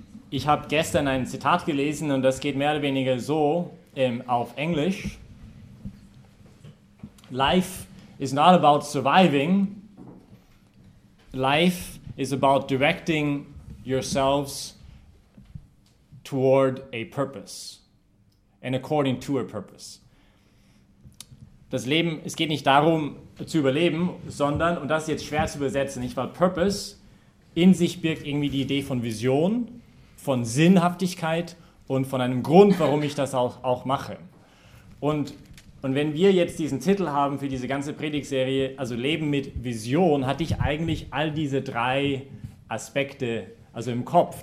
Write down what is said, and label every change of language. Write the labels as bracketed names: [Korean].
[German] Ich habe gestern ein Zitat gelesen und das geht mehr oder weniger so auf Englisch. [English] Life is not about surviving. Life is about directing yourselves toward a purpose and according to a purpose. [German] Das Leben, es geht nicht darum zu überleben, sondern, und das ist jetzt schwer zu übersetzen, nicht, weil Purpose in sich birgt irgendwie die Idee von Vision, von Sinnhaftigkeit und von einem Grund, warum ich das auch mache. Und wenn wir jetzt diesen Titel haben für diese ganze Predigtserie, also Leben mit Vision, hatte ich eigentlich all diese drei Aspekte also im Kopf.